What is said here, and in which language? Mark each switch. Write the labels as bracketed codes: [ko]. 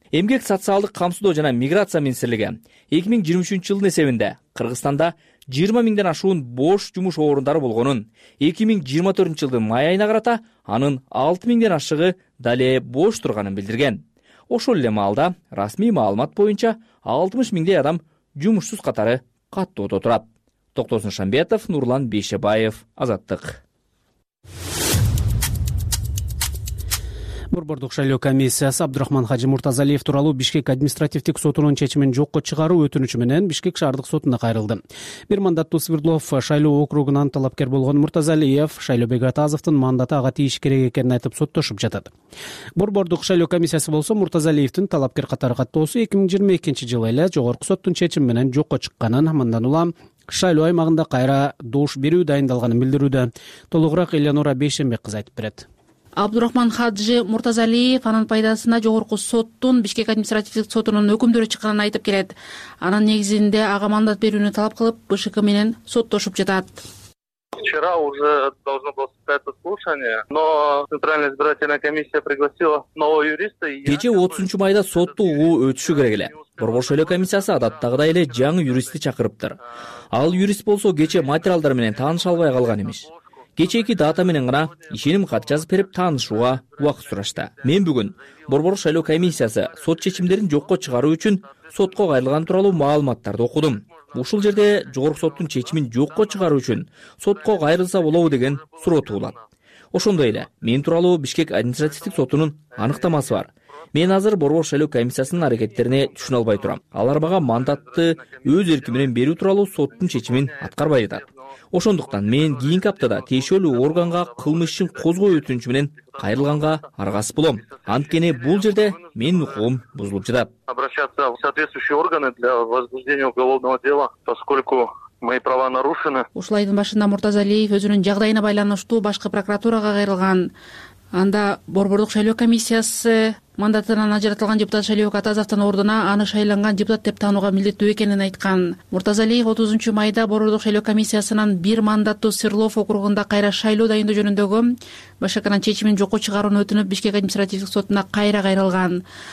[ky] Эмгек социалдык камсыздоо жана миграция министрлиги 2023 жылдын эсебинде Кыргызстанда 20 миңден ашуун бош жумуш орундары болгонун, 2024 жылдын май айына карата анын 6 миңден ашыгы дале бош турганын билдирген. Ошол эле маалда расмий маалымат боюнча 60 миңдей адам жумушсуз катары каттоодо турат. Токтосун Шамбетов, Нурлан Бейшебаев, Азаттык. Борбордук шайлоо комиссиясы Абдрахман Хажы Муртазалиев тууралуу Бишкек административдик сотунун чечимин жокко чыгаруу өтүнүчү менен Бишкек шаардык сотуна кайрылды. Бир мандаттуу Свердлов шайлоо округунан талапкер болгон Муртазалиев Шайлообек Атазовдун мандаты ага тийиш керек экенин айтып соттошуп жатат. Борбордук шайлоо комиссиясы болсо Муртазалиевдин талапкер катары каттоосу 2022 жылы эле жогорку соттун чечими менен жокко чыкканын, мындан улам шайлоо аймагында кайра добуш берүү дайындалганын билдирүүдө. Толугураак Эленора Бейшенбек кызы айтып берет. Абдурахман Хаджы Муртазалиев анын пайдасына жогорку соттун Бишкек административдик сотунун өкүмдөрү чыкканын айтып келет. Анын негизинде ага мандат берүүнү талап кылып, БШК менен соттошуп жатат. [ru] Вчера уже должно было состояться слушание, но Центральная избирательная комиссия пригласила нового юриста. [ky] Кечээ 30 майда сотту угуу өтүшү керек эле. Борбор шайлоо комиссиясы адаттагыдай эле жаңы юристти чакырыптыр. Ал юрист болсо кечээ материалдар менен тааныша албай калган эмиш. Кечээки дата менен гана ишеним кат жазып берип таанышууга убакыт сурашты. Мен бүгүн Борбор шайлоо комиссиясы сот чечимдерин жокко чыгаруу үчүн сотко кайрылганы тууралуу маалыматтарды окудум. Ушул жерде жогорку соттун чечимин жокко чыгаруу үчүн сотко кайрылса болобу деген суроо туулат. Ошондой эле мен тууралуу Бишкек административдик сотунун аныктамасы бар. Мен азыр Борбор шайлоо комиссиясынын аракеттерине түшүнө албай турам. Алар мага мандатты өз эрки менен берүү тууралуу соттун чечимин аткарбай жатат. Ошондуктан мен кийинки аптада тиешелүү органга кылмыш ишин козгоо өтүнүчү менен кайрылганга аргасыз болом. Анткени бул жерде менин укугум бузулуп жатат. [ru] Обращаться в соответствующие органы для возбуждения уголовного дела, поскольку мои права нарушены. [ky] Ушул айдын башында Муртазалиев өзүнүн жагдайына байланыштуу башкы прокуратурага кайрылган. Анда Борбордук шайлоо комиссиясы мандатынан ажыратылган депутат Шайлообек Атазовдун ордуна аны шайланган депутат деп таанууга милдеттүү экенин айткан. Муртазалиев 30 майда Борбордук шайлоо комиссиясынан бир мандаттуу Свердлов округунда кайра шайлоо дайындоо жөнүндөгү БШКнын чечимин жокко чыгарууну өтүнүп Бишкек административдик сотуна кайра кайрылган.